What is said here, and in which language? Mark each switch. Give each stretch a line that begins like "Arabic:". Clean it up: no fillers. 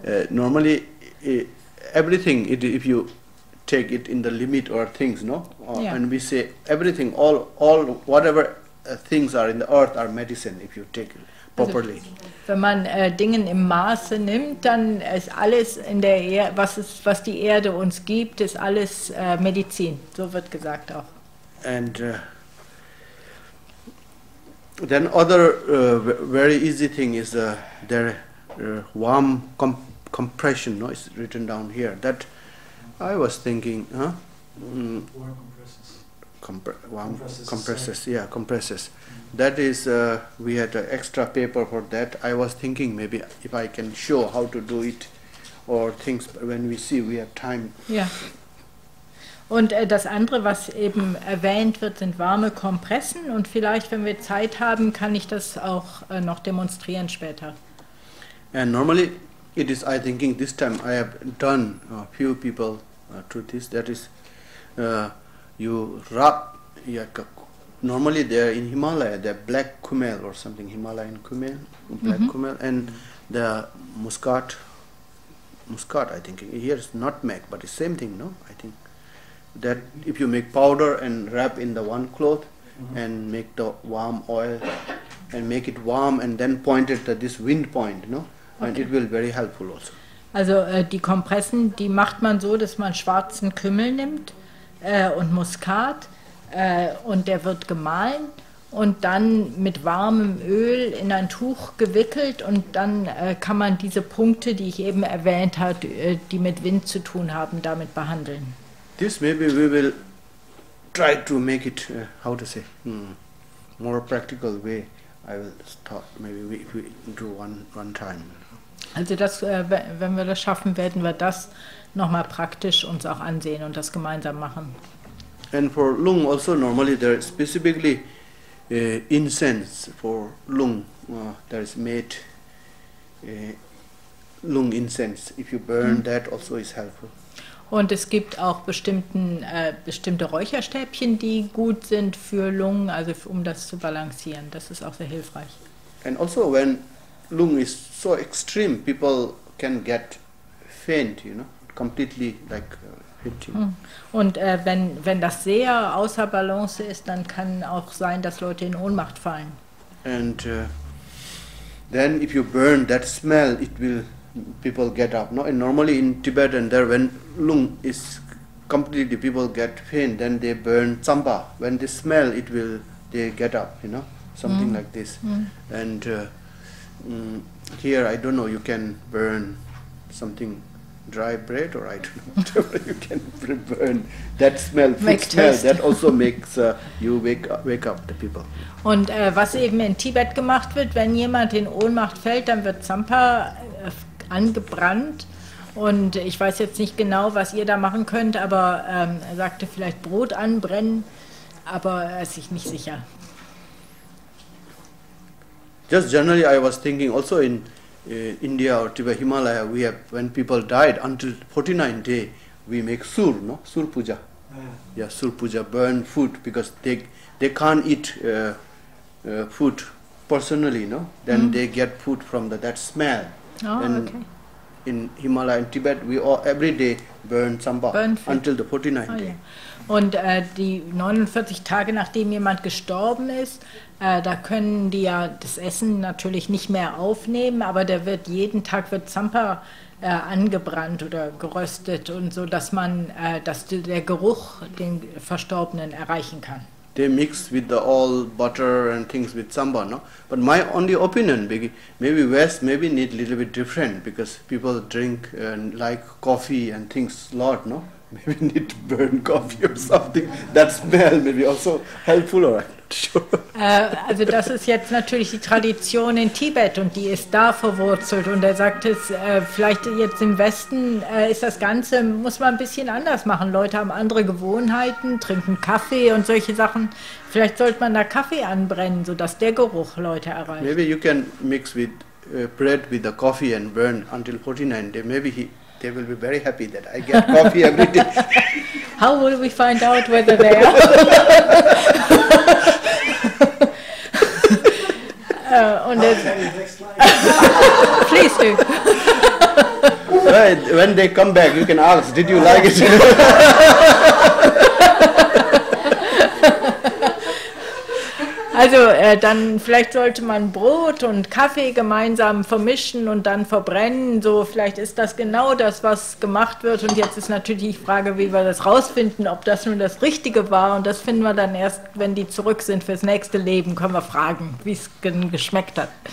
English: Normally, everything, if you take it in the limit or things, no? Yeah. And we say everything, all whatever things are in the earth are medicine if you take it properly.
German: Also, wenn man Dingen im Maße nimmt, dann ist alles in der Erde, was die Erde uns gibt, ist alles Medizin. So wird gesagt auch.
English: And then other very easy thing is their warm compression. No, it's written down here. That I was thinking, huh? Mm. Compresses. That is, we had an extra paper for that. I was thinking maybe if I can show how to do it or things when we see we have time. Yeah.
German: Und das andere, was eben erwähnt wird, sind warme Kompressen. Und vielleicht, wenn wir Zeit haben, kann ich das auch noch demonstrieren später.
English: And normally, it is, I thinking, this time I have done a few people to this. That is, you rub, normally they're in Himalaya, they're black kumail or something, Himalayan kumail, black mm-hmm. kumail, and the muscat, I think, here's nutmeg, but the same thing, no? I think that if you make powder and wrap in the one cloth mm-hmm. and make the warm oil and make it warm and then point it at this wind point, no? Okay. And it will be very helpful also.
German: Also die Kompressen, die macht man so, dass man schwarzen Kümmel nimmt. Und Muskat und der wird gemahlen und dann mit warmem Öl in ein Tuch gewickelt und dann kann man diese Punkte, die ich eben erwähnt habe, die mit Wind zu tun haben, damit behandeln.
English: This maybe we will try to make it, how to say, more practical way. I will start maybe if we do one time.
German: Also das, wenn wir das schaffen, werden wir das nochmal praktisch uns auch ansehen und das gemeinsam machen.
English: And for lung also normally there is specifically incense for lung. There is made lung incense. If you burn that also is helpful.
German: Und es gibt auch bestimmte Räucherstäbchen, die gut sind für Lungen, also um das zu balancieren. Das ist auch sehr hilfreich.
English: And also when lung is so extreme, people can get faint, you know, completely like fainting.
German: Und wenn das sehr außer Balance ist, dann kann auch sein, dass Leute in Ohnmacht fallen.
English: And then if you burn that smell, it will people get up. No, and normally in Tibet and there, when lung is completely, the people get pain, then they burn champa. When they smell, it will, they get up, you know, something like this. Mm. And here, I don't know, you can burn something, dry bread, or I don't know, whatever you can burn. That smell, make smell, taste. That also makes you wake up the people.
German: Und was eben in Tibet gemacht wird, wenn jemand in Ohnmacht fällt, dann wird Champa angebrannt. Und ich weiß jetzt nicht genau, was ihr da machen könnt, aber er sagte vielleicht Brot anbrennen, aber er ist sich nicht sicher.
English: Just generally I was thinking also in India or Tibet Himalaya, we have, when people died, until 49 day, we make sur, no? Sur puja. Yeah, sur puja, burn food, because they can't eat food personally, no? Then they get food from that smell. Oh, and okay. In Himalaya, in Tibet, we all, every day, burn samba, until the 49th day. Yeah.
German: Und die 49 Tage, nachdem jemand gestorben ist, da können die ja das Essen natürlich nicht mehr aufnehmen, aber der wird jeden Tag wird Champa angebrannt oder geröstet und so, dass man dass der Geruch den Verstorbenen erreichen kann.
English: They mix with the all butter and things with Champa, no? But my only opinion, maybe West, maybe need a little bit different, because people drink and like coffee and things a lot, no? Maybe need to burn coffee or something. That smell maybe also helpful, or I'm not sure.
German: Also das ist jetzt natürlich die Tradition in Tibet und die ist da verwurzelt. Und er sagt es, vielleicht jetzt im Westen ist das Ganze, muss man ein bisschen anders machen. Leute haben andere Gewohnheiten, trinken Kaffee und solche Sachen. Vielleicht sollte man da Kaffee anbrennen, sodass der Geruch Leute erreicht.
English: Maybe you can mix with bread with the coffee and burn until 49 days. Maybe he... They will be very happy that I get coffee every day. How will we find out whether they are? And then, please do. Right, when they come back, you can ask, did you like it?
German: Also dann vielleicht sollte man Brot und Kaffee gemeinsam vermischen und dann verbrennen. So vielleicht ist das genau das, was gemacht wird. Und jetzt ist natürlich die Frage, wie wir das rausfinden, ob das nun das Richtige war. Und das finden wir dann erst, wenn die zurück sind fürs nächste Leben, können wir fragen, wie es geschmeckt hat.